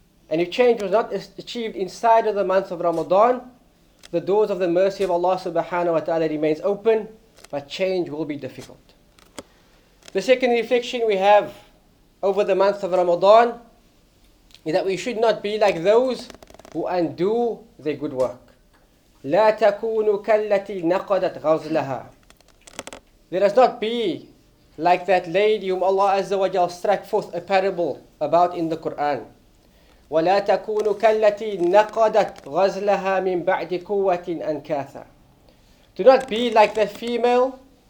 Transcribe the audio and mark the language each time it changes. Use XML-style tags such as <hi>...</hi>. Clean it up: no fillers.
<en>And if change was not achieved inside of the month of Ramadan, the doors of the mercy of Allah subhanahu wa ta'ala remains open, but change will be difficult. The second reflection we have over the month of Ramadan is that we should not be like those who undo their good work.</en> <ar>لا تكونوا كالتي نقضت غزلها.</ar> <en>Let us not be like that lady whom Allah Azza wa Jal struck forth a parable about in the Quran.</en> <ar>وَلَا تَكُونُ كَالَّتِي نَقَدَتْ غَزْلَهَا مِنْ بَعْدِ قُوَّةٍ أَنْكَاثًا.</ar> <en>Do not be like that female.</en>